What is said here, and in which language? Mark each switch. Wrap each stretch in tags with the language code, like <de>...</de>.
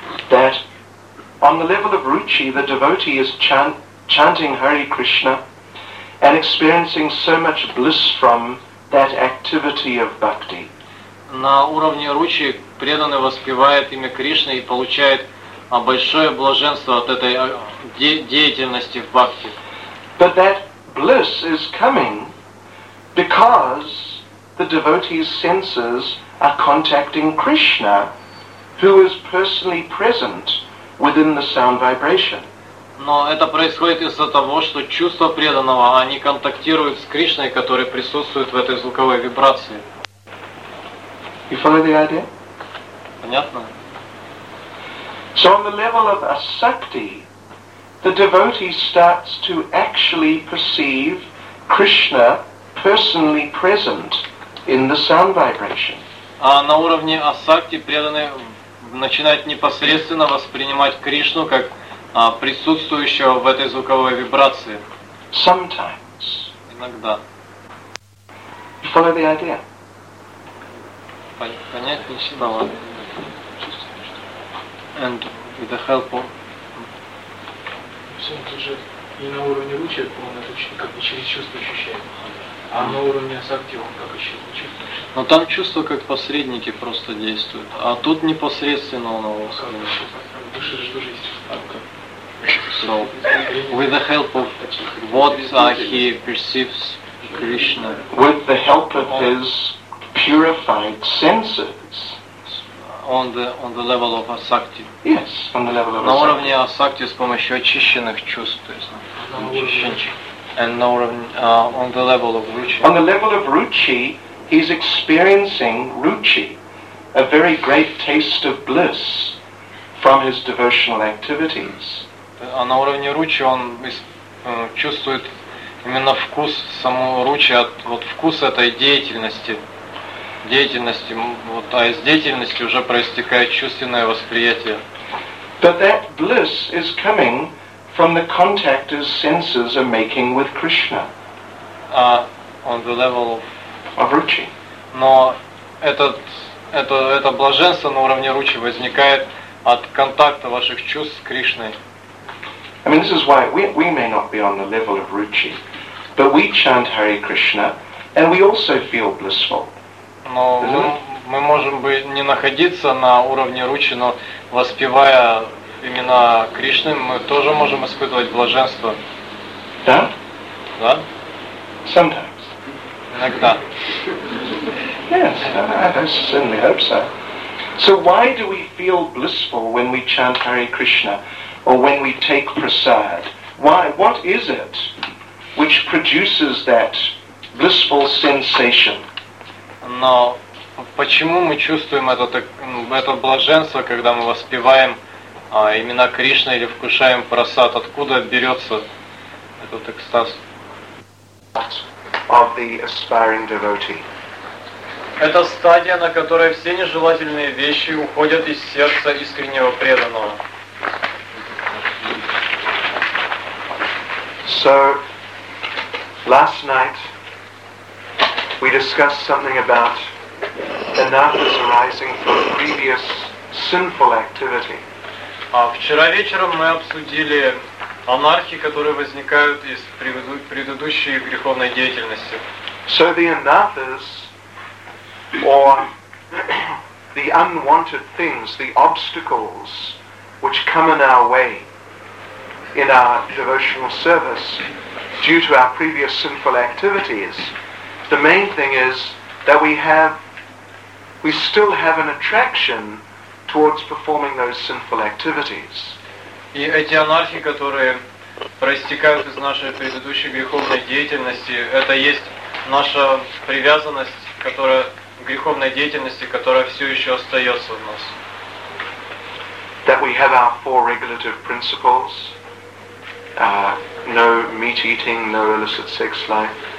<en>That on the level of ruchi, the devotee is chanting Hare Krishna and experiencing so much bliss from that activity of bhakti.</en> <ru>На уровне ручи преданный воспевает имя Кришны и получает большое блаженство от этой деятельности в бхакти.</ru> <en>But that bliss is coming because the devotee's senses are contacting Krishna, who is personally present within the sound vibration.</en> <ru>Но это происходит из-за того, что чувства преданного, они контактируют с Кришной, который присутствует в этой звуковой вибрации.</ru> <en>You follow the idea?</en> <ru>Понятно.</ru> <en>So on the level of asakti, the devotee starts to actually perceive Krishna personally present in the sound vibration.</en> <ru>А на уровне асакти преданный начинает непосредственно воспринимать Кришну как присутствующего в этой звуковой вибрации.</ru> <en>Sometimes.</en> <ru>Иногда.</ru> <en>You follow the idea?</en> <ru>Понять не стало.</ru> <en>And with the help of...</en> <ru>Все, он тут же и на уровне ручи, он это как бы через чувство ощущает. А на уровне асакти он как еще не чувствует. Но там чувство как посредники просто действуют. А тут непосредственно он его воспринимает. В душе же тоже есть чувство.</ru> <en>So, with the help of what he perceives Krishna. With the help of his purified senses. On the level of asakti. Yes, on the level of</en> <ru>asakti. На уровне асакти с помощью очищенных чувств, то есть</ru> <en>on the level of ruchi. On the level of ruchi, he's experiencing ruchi. a very great taste of bliss from his devotional activities.</en> <ru>А на уровне ручи он чувствует именно вкус саму ручи от вот вкус этой деятельности. Деятельности, вот, а из деятельности уже проистекает чувственное восприятие.</ru> <en>But that bliss is coming from the contact his senses are making with Krishna. On the level of ruchi.</en> <ru>Но это блаженство на уровне ручи возникает от контакта ваших чувств с Кришной.</ru> <en>I mean, this is why we may not be on the level of ruchi, but we chant Hare Krishna and we also feel blissful.</en> <ru>Но мы можем бы не находиться на уровне ручи, но воспевая имена Кришны, мы тоже можем испытывать блаженство. Да? Да. Sometimes. Иногда.</ru> <en>Yes, I certainly hope so. So why do we feel blissful when we chant Hare Krishna or when we take prasad? Why? What is it which produces that blissful sensation?</en> <ru>Но почему мы чувствуем это блаженство, когда мы воспеваем имена Кришны или вкушаем прасад? Откуда берется этот экстаз?</ru> <en>Of the aspiring devotee.</en> <ru>Это стадия, на которой все нежелательные вещи уходят из сердца искреннего преданного.</ru> <en>So, last night we discussed something about anathas arising from previous sinful activity.</en> <ru>Вчера вечером мы обсудили анархи, которые возникают из предыдущей греховной деятельности.</ru> <en>So the anathas, or the unwanted things, the obstacles which come in our way in our devotional service due to our previous sinful activities, the main thing is that we still have an attraction towards performing those sinful activities.</en> <ru>И эти анархи, которые проистекают из нашей предыдущей греховной деятельности, это есть наша привязанность, которая к греховной деятельности, которая все еще остается в нас.</ru> <en>That we have our four regulative principles. No meat eating, no illicit sex life.</en>